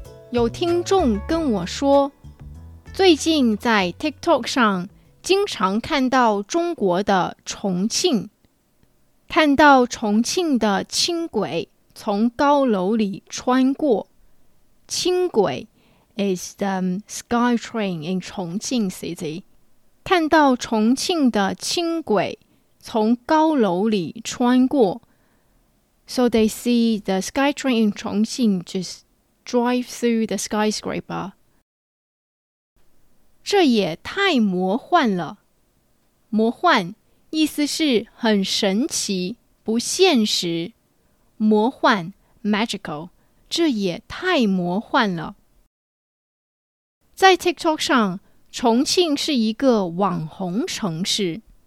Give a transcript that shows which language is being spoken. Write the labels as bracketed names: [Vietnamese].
[Chinese] 有听众跟我说，最近在 TikTok 上经常看到中国的重庆，看到重庆的轻轨从高楼里穿过。 [English] 轻轨 is the sky train in Chongqing city。 [Chinese] 看到重庆的轻轨从高楼里穿过。 [English] So they see the sky train in Chongqing just drive through the skyscraper。 [Chinese] 这也太魔幻了。魔幻意思是很神奇，不现实。魔幻 magical， 这也太魔幻了。在 TikTok 上，重庆是一个网红城市。